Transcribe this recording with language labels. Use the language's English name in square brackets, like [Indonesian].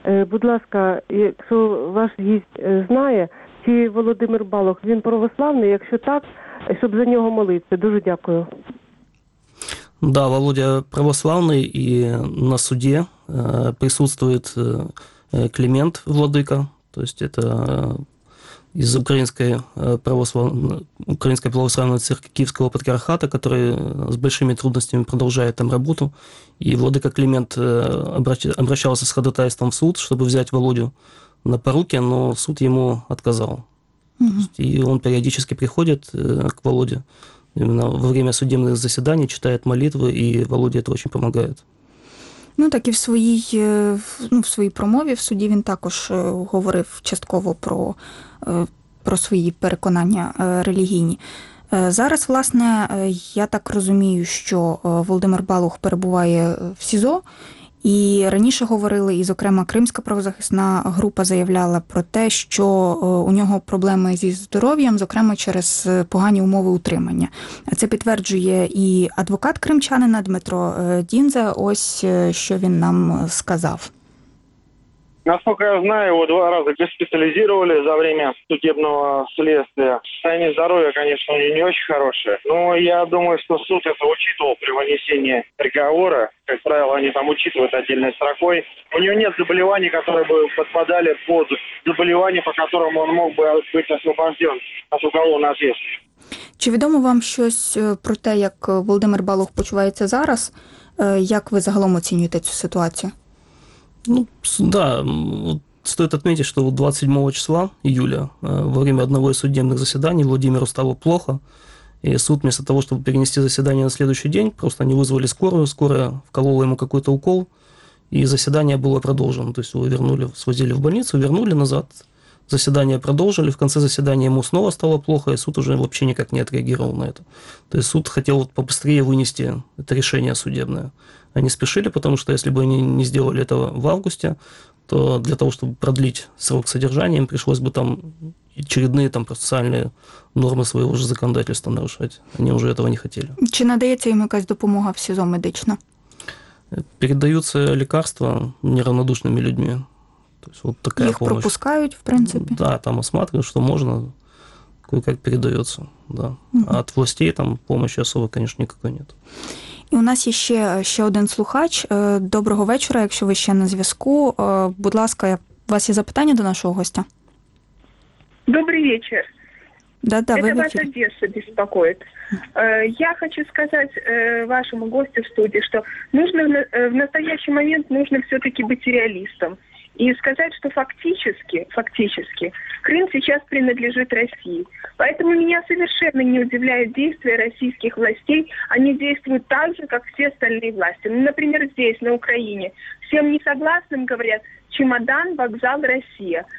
[Ukrainian] Будь ласка, якщо ваш гість знає, чи Володимир Балух, він православний? Якщо так, щоб за нього молитися. Дуже дякую. Да, Володя православний і на суді присутствує Клімент Владика. [Russian] То есть это из Украинской православной церкви Киевского патриархата, который с большими трудностями продолжает там работу. И владыка Климент обращался с ходатайством в суд, чтобы взять Володю на поруки, но суд ему отказал. Угу. И он периодически приходит к Володе именно во время судебных заседаний, читает молитвы, и Володе это очень помогает. [Ukrainian] Ну, так і в своїй, ну, в своїй промові в суді він також говорив частково про свої переконання релігійні. Зараз, власне, я так розумію, що Володимир Балух перебуває в СІЗО, і раніше говорили, і, зокрема, Кримська правозахисна група заявляла про те, що у нього проблеми зі здоров'ям, зокрема, через погані умови утримання. Це підтверджує і адвокат кримчанина Дмитро Дінзе, ось що він нам сказав. [Russian] Насколько я знаю, его два раза госпитализировали за время судебного следствия. Состояние здоровья, конечно, у него не очень хорошее. Но я думаю, что суд это учитывал при вынесении приговора. Как правило, они там учитывают отдельной строкой. У него нет заболеваний, которые бы подпадали под заболевания, по которым он мог бы быть освобожден от уголовной ответственности. [Ukrainian] Чи відомо вам щось про те, як Володимир Балух почувається зараз? Як ви загалом оцінюєте цю ситуацію? [Russian] Ну, да, стоит отметить, что 27 числа июля во время одного из судебных заседаний Владимиру стало плохо, и суд вместо того, чтобы перенести заседание на следующий день, просто они вызвали скорую, скорая вколола ему какой-то укол, и заседание было продолжено, то есть его вернули, свозили в больницу, вернули назад, заседание продолжили, в конце заседания ему снова стало плохо, и суд уже вообще никак не отреагировал на это. То есть суд хотел побыстрее вынести это решение судебное. Они спешили, потому что если бы они не сделали этого в августе, то для того, чтобы продлить срок содержания, им пришлось бы там очередные там процессуальные нормы своего же законодательства нарушать. Они уже этого не хотели. [Ukrainian] Чи надається їм якась допомога в СІЗО медична? [Russian] Передаются лекарства неравнодушными людьми. То есть вот такая их помощь. Их пропускают, в принципе? Да, там осматривают, что можно, кое-как передается. Да. Угу. А от властей там помощи особо, конечно, никакой нет. [Ukrainian] І у нас є ще один слухач. Доброго вечора, якщо ви ще на зв'язку. Будь ласка, у вас є запитання до нашого гостя? Добрий вечір. [Russian] Да, [Ukrainian] ви в ефірі. Це вас Одеса беспокоїть. Я хочу сказати вашому гостю в студії, що [Russian] нужно в настоящий момент нужно все-таки [Ukrainian] бути реалістом. [Russian] И сказать, что фактически Крым сейчас принадлежит России. Поэтому меня совершенно не удивляют действия российских властей. Они действуют так же, как все остальные власти. Ну, например, здесь, на Украине. Всем несогласным говорят «чемодан, вокзал, Россия».